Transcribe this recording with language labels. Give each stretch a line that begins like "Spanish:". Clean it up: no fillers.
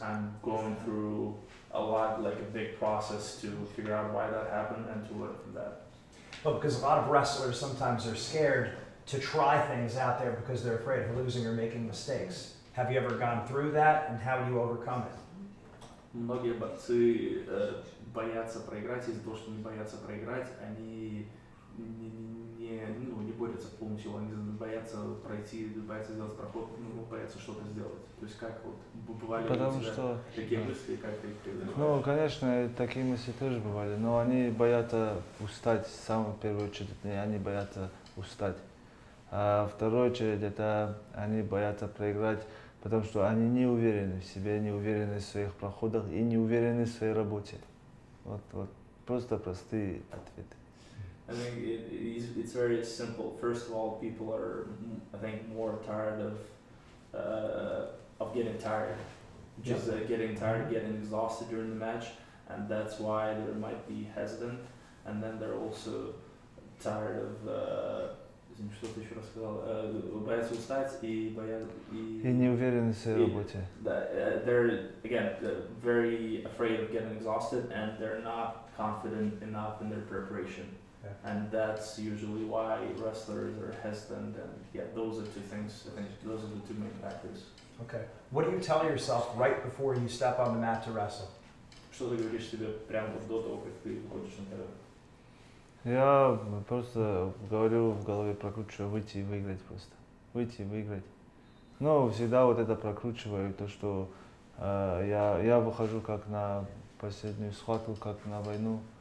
English: I'm going through a lot, like a big process to figure out why that happened and to learn from that. Well, because a lot of wrestlers sometimes are scared to try things out there because they're afraid of losing or making mistakes. Have you ever gone through that, and how do you overcome it?
Russian: Многие борцы боятся проиграть, из-за того, что они боятся проиграть, они не борются полностью, они боятся пройти, боятся сделать проход, боятся что-то сделать. То есть как вот бывали потому у тебя что, такие мысли, как ты их преодолеваешь? Ну, конечно, такие мысли тоже бывали, но они боятся устать, в самую первую очередь, они боятся устать. А вторую очередь, это они боятся проиграть, потому что они не уверены в себе, не уверены в своих проходах и не уверены в своей работе. Вот просто простые ответы.
English: I think it's very simple. First of all, people are, I think, more tired of getting tired. Just getting tired, getting exhausted during the match, and that's why they might be hesitant. And then they're also tired of...
Russian: Что ты еще рассказал? Боятся устать и боятся... И не уверены в своей работе.
English: They're, again, very afraid of getting exhausted, and they're not confident enough in their preparation. Yeah. And that's usually why wrestlers are hesitant. And yeah, those are two things. I think those are the two main factors. Okay. What do you tell yourself right before you step on the mat to wrestle?
Russian: Что ты говоришь себе прямо до того, как ты хочешь на это? Я просто говорю в голове, прокручиваю, выйти и выиграть просто. Выйти и выиграть. Но всегда вот это прокручиваю, то, что я выхожу как на последнюю схватку, как на войну.